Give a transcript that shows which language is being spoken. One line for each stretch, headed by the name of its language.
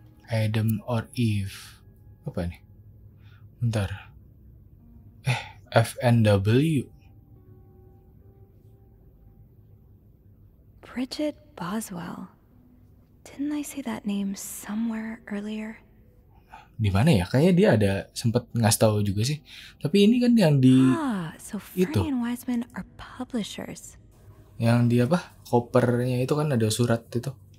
Indonesian: Adam or Eve. Apa ini? Bentar. Eh, FNW. Bridget Boswell.
English: Didn't I say that name somewhere earlier?
Indonesian: Di mana ya? Kayaknya dia ada sempat ngasih tahu juga sih. Tapi ini kan yang di
English: so Freddie and Wiseman are publishers.
Indonesian: Yang di apa? Kopernya itu kan ada surat itu.